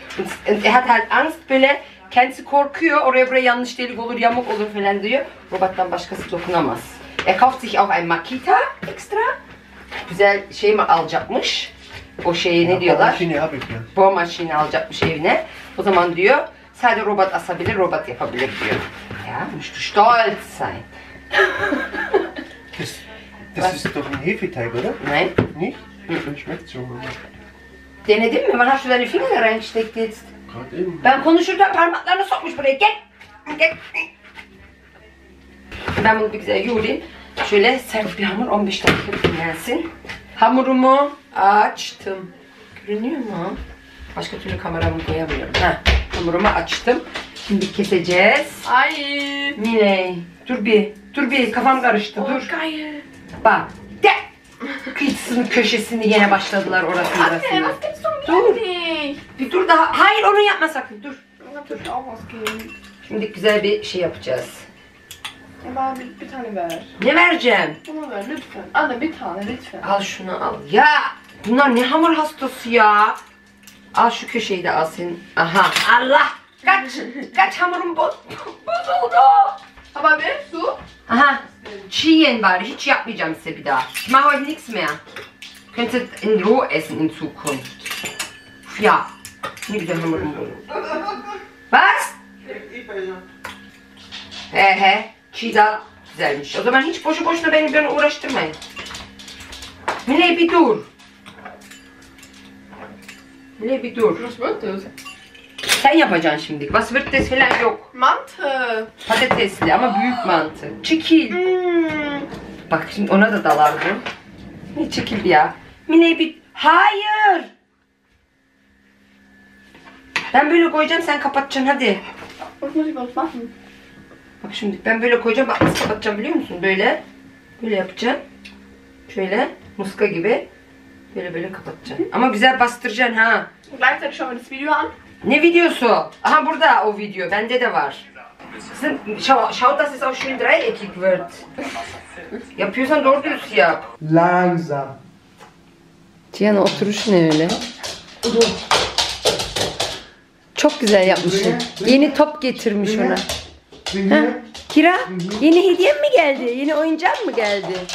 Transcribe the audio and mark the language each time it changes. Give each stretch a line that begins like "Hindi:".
German: Und er hat halt Angst
Turkish: böyle, kendisi korkuyor. Oraya buraya yanlış delik olur, yamuk olur falan diyor. Robert'tan başkası dokunamaz.
German: Er kauft sich auch ein Makita extra.
Turkish: Güzel şey mi alacakmış? O şeyi ne diyorlar? Bohrmaschine alacakmış evine. O zaman diyor, sadece robot asabilir, robot yapabilir diyor.
German: Ya, müştü stolz sein. Das ist doch ein Hefeteig, oder? Nein. Nicht? Ich schmeckt so.
Turkish: Denedin mi?
German: Wann hast du deine Finger reingesteckt jetzt? Gerade eben.
Turkish: Ben konuşurken parmaklarını sokmuş buraya. Gel! Gel! Ben bunu bir güzel yoğurayım. Şöyle sert bir hamur 15 dakika dinlensin. Hamurumu açtım. Görünüyor mu? Başka türlü kameramı koyamıyorum. Heh. Hamurumu açtım. Şimdi keseceğiz. Ay. Mine. Dur bir. Kafam karıştı. Dur. Hayır. Bak. De. Kıçsın köşesini yine başladılar orası. Hadi. Nasıl kesin dur. Bir dur daha. Hayır onu yapma sakın. Dur. Dur. Şimdi güzel bir şey yapacağız. Bana bir tane ver. Ne vereceğim? Bunu ver lütfen. Al da bir tane lütfen. Al şunu al. Ya! Bunlar ne hamur hastası ya? Al şu köşeyi de al senin. Aha! Allah! Kaç! Kaç hamurum bozuldu! Ama ver su. Aha! Çiğ yiyin bari. Hiç yapmayacağım size bir daha.
German: Ich mache heute nichts mehr. Könntet in Ruhe essen in Zukunft. Ja!
Turkish: Ne güzel hamurum bozuldu.
German: Was?
Turkish: İyi peynir. He. Çiğ daha güzelmiş. O zaman hiç boşu boşuna beni uğraştırmayın. Mine bir dur. Ne bir dur.
German: Was wird das?
Turkish: Sen yapacaksın şimdi.
German: Was wird das
Turkish: falan yok. Mantı. Patatesli ama büyük mantı. Çekil. Bak şimdi ona da dalardım. Ne çekil ya. Mine bir... Hayır. Ben böyle koyacağım, sen kapatacaksın hadi. Bak şimdi ben böyle koyacağım, bak nasıl kapatacağım biliyor musun? Böyle. Böyle yapacaksın. Şöyle muska gibi. Böyle böyle kapatacaksın. Ama güzel bastıracaksın ha.
German: Gleichzeitig schon mal das Video an.
Turkish: Ne videosu? Aha burada o video. Bende de var.
German: Sen schau, dass es auch schön dreieckig wird.
Turkish: Yapıyorsan doğru düz yap.
German: Langsam.
Turkish: Cihan oturuş ne öyle? Çok güzel yapmışsın. Yeni top getirmiş ona. Ha, kira? Yeni hediye mi geldi? Yeni oyuncak mı geldi?